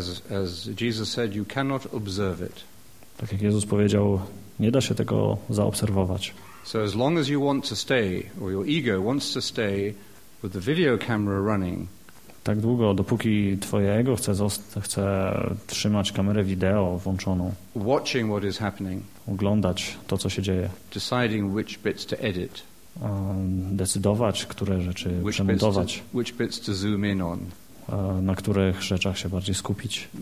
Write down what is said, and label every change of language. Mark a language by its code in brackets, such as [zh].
[en] As Jesus said, you cannot observe it. [pl] Tak jak Jezus powiedział, nie da się tego zaobserwować. [en] So as long as you want to stay, or your ego wants to stay with the video camera running. [pl] Tak długo, dopóki twoje ego chce trzymać kamerę wideo włączoną, [en] watching what is happening, [pl] oglądać to, co się dzieje, [en] deciding which bits to edit, [pl] decydować, które rzeczy przemontować, [en] which bits to zoom in on, [pl] na których rzeczach się bardziej skupić,